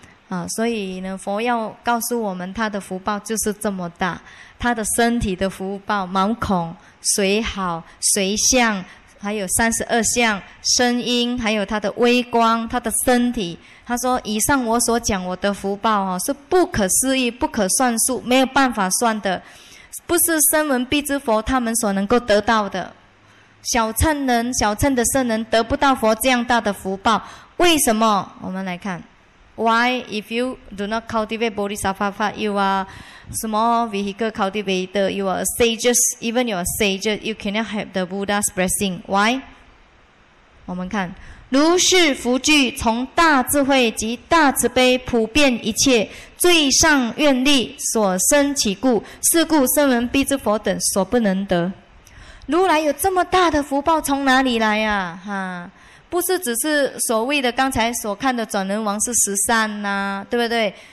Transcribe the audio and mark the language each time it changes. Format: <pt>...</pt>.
<zh>啊，所以呢，佛要告诉我们，他的福报就是这么大，他的身体的福报，毛孔、髓好、髓相，还有三十二相声音，还有他的微光，他的身体，他说以上我所讲我的福报是不可思议，不可算数，没有办法算的，不是声闻辟支佛他们所能够得到的。小乘人、小乘的圣人得不到佛这样大的福报，为什么？我们来看</zh> <en>，Why if you do not cultivate Bodhisattva, you are small vehicle cultivator, you are sages, even you are sages, you cannot have the Buddha's blessing. Why?</en> <zh>我们看，如是福聚从大智慧及大慈悲普遍一切最上愿力所生起故，是故声闻必知佛等所不能得。如来有这么大的福报，从哪里来呀？哈，不是只是所谓的刚才所看的转轮王是十善呐，对不对？</zh>